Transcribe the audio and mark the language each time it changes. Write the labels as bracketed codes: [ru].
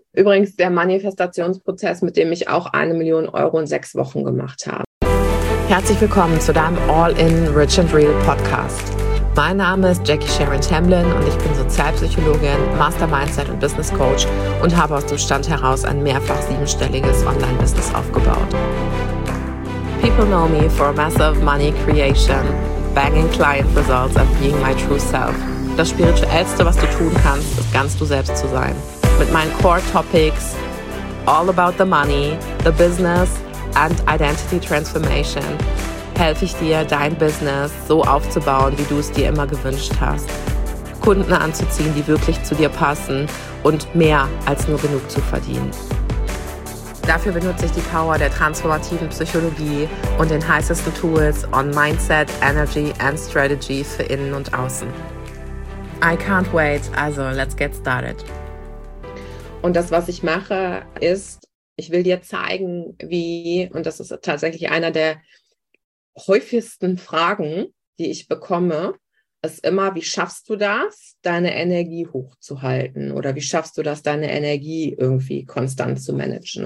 [de] Übrigens der Manifestationsprozess, mit dem ich auch 1 Million Euro in 6 Wochen gemacht habe. Herzlich willkommen zu deinem All-in Rich and Real Podcast. Mein Name ist Jackie Sharon Tamblyn und ich bin Sozialpsychologin, Master Mindset und Business Coach und habe aus dem Stand heraus ein mehrfach siebenstelliges Online-Business aufgebaut. [en] People know me for massive money creation, banging client results and being my true self. [de] Das Spirituellste, was du tun kannst, ist ganz du selbst zu sein. Mit meinen Core Topics, [en] all about the money, the business and identity transformation, [de] helfe ich dir, dein Business so aufzubauen, wie du es dir immer gewünscht hast. Kunden anzuziehen, die wirklich zu dir passen und mehr als nur genug zu verdienen. Dafür benutze ich die Power der transformativen Psychologie und den heißesten Tools [en] on Mindset, Energy and Strategy [de] für innen und außen. [en] I can't wait, also let's get started. [de] Und das, was ich mache, ist, ich will dir zeigen, wie, und das ist tatsächlich einer der häufigsten Fragen, die ich bekomme, ist immer, wie schaffst du das, deine Energie hochzuhalten? Oder wie schaffst du das, deine Energie irgendwie konstant zu managen?